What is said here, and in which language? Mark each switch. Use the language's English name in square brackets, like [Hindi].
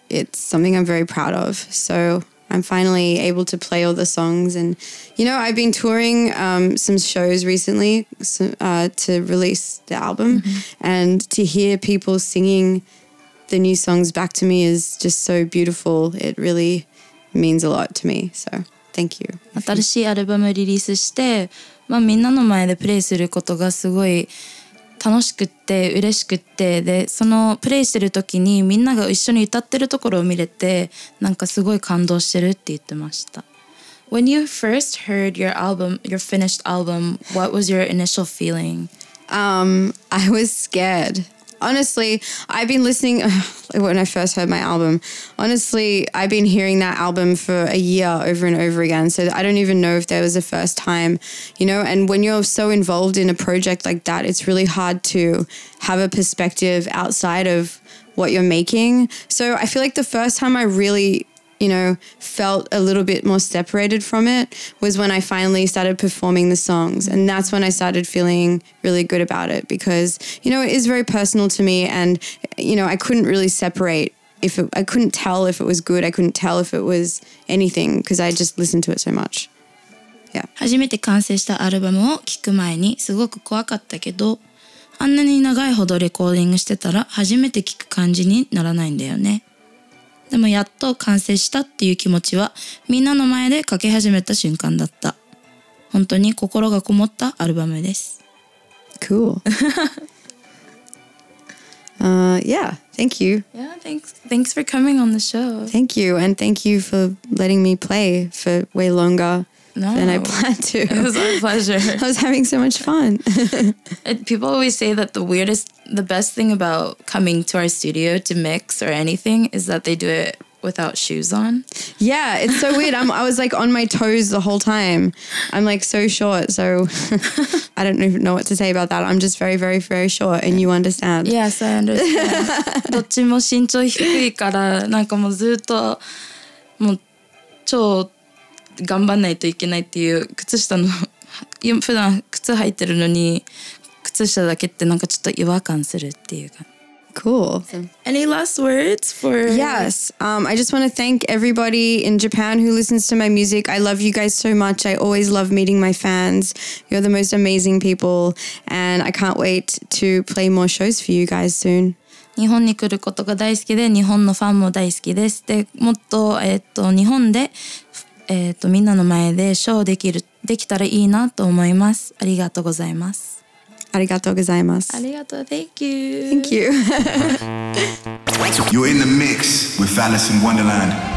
[English] It's something I'm very proud of. So I'm finally able to play all the songs. And, you know, I've been touring some shows recently to release the album. Mm-hmm. And to hear people singing the new songs back to me is just so beautiful. It really means a lot to me. So thank you. [Japanese] 新しいアルバムリリースして、みんなの前でプレイすることがすごい 楽しくて嬉しくて、で、そのプレイしてる時にみんなが一緒に歌ってるところを見れて、なんかすごい感動してるって言ってました。 [English] When you first heard your album, your finished album, what was your initial feeling? I was scared. honestly, I've been listening, like when I first heard my album, honestly, I've been hearing that album for a year over and over again. So I don't even know if there was a first time, you know, and when you're so involved in a project like that, it's really hard to have a perspective outside of what you're making. So I feel like the first time I really, you know, felt a little bit more separated from it was when I finally started performing the songs. And that's when I started feeling really good about it because, you know, it is very personal to me. And, you know, I couldn't really separate I couldn't tell if it was good. I couldn't tell if it was anything because I just listened to it so much. Yeah. [Japanese] 初めて完成したアルバムを聞く前にすごく怖かったけど、あんなに長いほどレコーディングしてたら初めて聞く感じにならないんだよね。でもやっと完成したっていう気持ちはみんなの前で書き始めた瞬間だった。本当に心がこもったアルバムです。 [English] Cool. yeah, thank you. Yeah, thanks for coming on the show. Thank you, and thank you for letting me play for way longer than I planned to. It was our pleasure. I was having so much fun. People always say that the best thing about coming to our studio to mix or anything is that they do it without shoes on. Yeah, it's so weird. I was like on my toes the whole time. I'm like so short, so I don't even know what to say about that. I'm just very, very, very short, and you understand. Yes, I understand. [Japanese] どっちも身長低いからなんかもうずっともう超頑張んないといけないっていう靴下の普段靴履いてるのに靴下だけってなんかちょっと違和感するっていうか。 [English] Cool. Any last words for... Yes. I just want to thank everybody in Japan who listens to my music. I love you guys so much. I always love meeting my fans. You're the most amazing people. And I can't wait to play more shows for you guys soon. [Japanese] 日本に来ることが大好きで、日本のファンも大好きです。で、もっと、日本で、みんなの前でショーできたらいいなと思います。ありがとうございます。ありがとうございます。ありがとう。 [English] Thank you. Thank you. You're in the mix with Alice in Wonderland.